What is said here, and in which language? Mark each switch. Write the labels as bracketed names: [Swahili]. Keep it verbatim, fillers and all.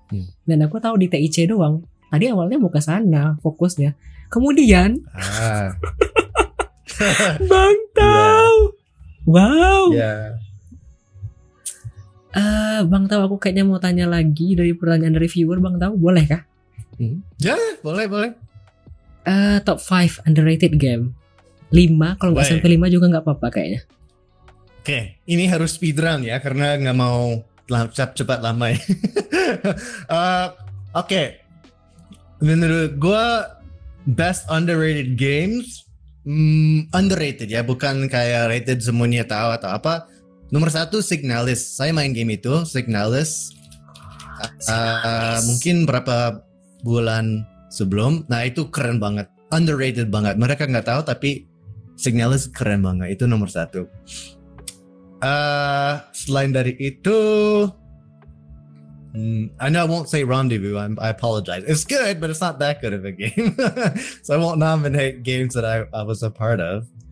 [Indonesian] Hmm. Dan aku tahu di T I C doang. Tadi awalnya mau ke sana fokusnya. Kemudian ah. Bang Tau. Yeah. Wow. [English] Yeah. [Indonesian] Uh, Bang Tau aku kayaknya mau tanya lagi dari pertanyaan dari viewer Bang Tau, boleh kah? Hmm. Ya, yeah, boleh, boleh. Uh, top lima underrated game. lima, kalau nggak sampai lima juga nggak apa-apa kayaknya. Oke, okay. Ini harus speedrun ya, karena nggak mau cepat lama ya. uh, Oke, okay. Menurut gue [English] best underrated games, [Indonesian] mm, underrated ya, bukan kayak rated semuanya tahu atau apa. Nomor satu Signalis. Saya main game itu Signalis. Signalis. Uh, mungkin berapa bulan sebelum, nah itu keren banget, underrated banget. Mereka nggak tahu tapi Signalis keren banget. Itu nomor satu. Uh, selain dari itu, [English] Mm, I know I won't say Rendezvous. I'm, I apologize. It's good, but it's not that good of a game. So I won't nominate games that I, I was a part of.